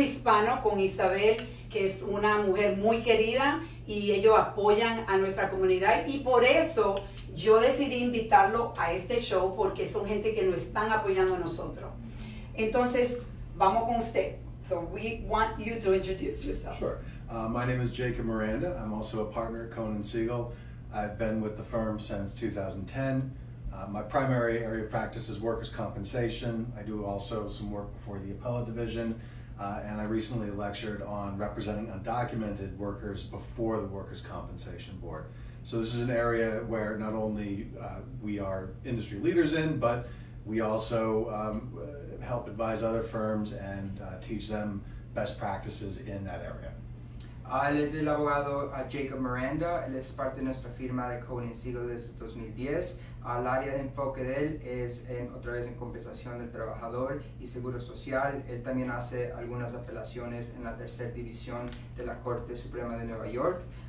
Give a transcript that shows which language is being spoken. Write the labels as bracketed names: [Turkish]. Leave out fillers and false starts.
[Spanish] hispano, con Isabel, que es una mujer muy querida, y ellos apoyan a nuestra comunidad. Y por eso yo decidí invitarlo a este show, porque son gente que nos están apoyando a nosotros. Entonces, vamos con usted. [English] So we want you to introduce yourself. Sure. My name is Jacob Miranda. I'm also a partner at Cohen & Siegel. I've been with the firm since 2010. My primary area of practice is workers' compensation. I do also some work for the appellate division, and I recently lectured on representing undocumented workers before the Workers' Compensation Board. So this is an area where not only we are industry leaders in, but we also help advise other firms and teach them best practices in that area. [Spanish] Él es el abogado Jacob Miranda. Él es parte de nuestra firma de Cohen & Siegel desde 2010. El área de enfoque de él es otra vez en compensación del trabajador y seguro social. Él también hace algunas apelaciones en la tercera división de la Corte Suprema de Nueva York.